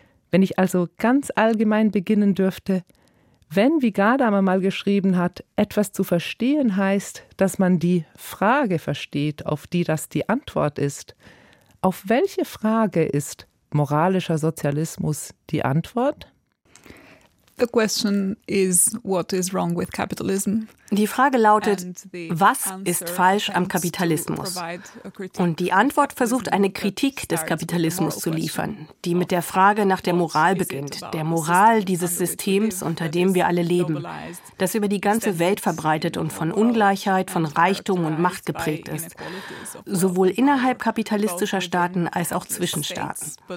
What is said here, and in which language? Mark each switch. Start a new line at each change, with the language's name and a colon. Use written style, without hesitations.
German: Wenn ich also ganz allgemein beginnen dürfte, wenn, wie Gadamer mal geschrieben hat, etwas zu verstehen heißt, dass man die Frage versteht, auf die das die Antwort ist, auf welche Frage ist moralischer Sozialismus die Antwort?
English: The question is, what is wrong with capitalism?
German: Die Frage lautet, was ist falsch am Kapitalismus? Und die Antwort versucht, eine Kritik des Kapitalismus zu liefern, die mit der Frage nach der Moral beginnt, der Moral dieses Systems, unter dem wir alle leben, das über die ganze Welt verbreitet und von Ungleichheit, von Reichtum und Macht geprägt ist, sowohl innerhalb kapitalistischer Staaten als auch zwischen Staaten.